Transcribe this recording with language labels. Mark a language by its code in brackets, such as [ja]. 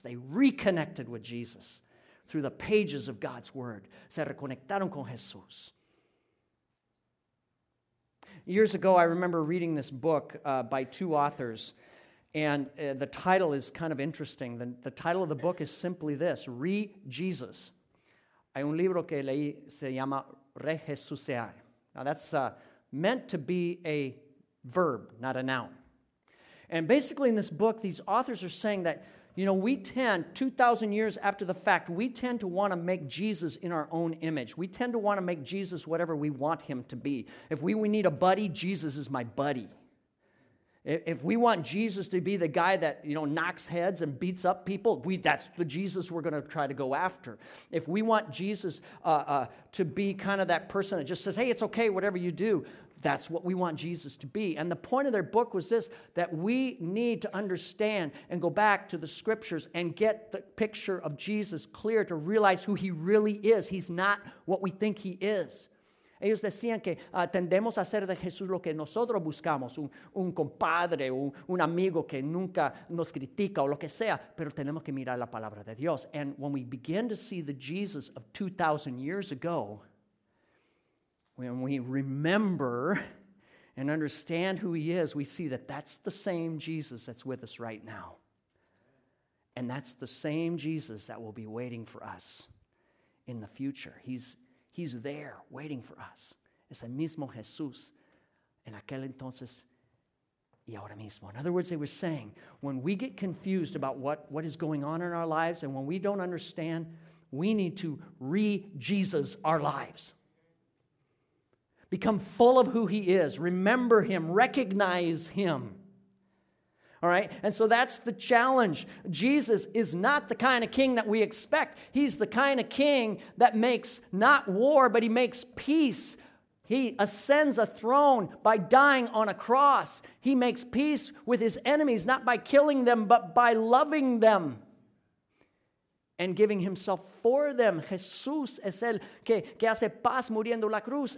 [en] They reconnected with Jesus through the pages of God's Word. [es] Se reconectaron con Jesús. [en] Years ago, I remember reading this book by two authors, and the title is kind of interesting. The title of the book is simply this, Re-Jesus. [es] Hay un libro que leí, se llama Re-Jesusear. [en] Now, that's meant to be a verb, not a noun. And basically, in this book, these authors are saying that, you know, we tend, 2,000 years after the fact, we tend to want to make Jesus in our own image. We tend to want to make Jesus whatever we want him to be. If we need a buddy, Jesus is my buddy. If we want Jesus to be the guy that, you know, knocks heads and beats up people, that's the Jesus we're going to try to go after. If we want Jesus to be kind of that person that just says, hey, it's okay, whatever you do, that's what we want Jesus to be. And the point of their book was this, that we need to understand and go back to the scriptures and get the picture of Jesus clear to realize who he really is. He's not what we think he is. [es] Ellos decían que tendemos a hacer de Jesús lo que nosotros buscamos, un compadre, un amigo que nunca nos critica o lo que sea, pero tenemos que mirar la palabra de Dios. [en] And when we begin to see the Jesus of 2,000 years ago, when we remember and understand who he is, we see that that's the same Jesus that's with us right now. And that's the same Jesus that will be waiting for us in the future. He's there waiting for us. [es] Es el mismo Jesús en aquel entonces y ahora mismo. [en] In other words, they were saying, when we get confused about what is going on in our lives and when we don't understand, we need to re-Jesus our lives. Become full of who he is. Remember him. Recognize him. All right? And so that's the challenge. Jesus is not the kind of king that we expect. He's the kind of king that makes not war, but he makes peace. He ascends a throne by dying on a cross. He makes peace with his enemies, not by killing them, but by loving them and giving himself for them. [es] Jesús es el que hace paz muriendo la cruz.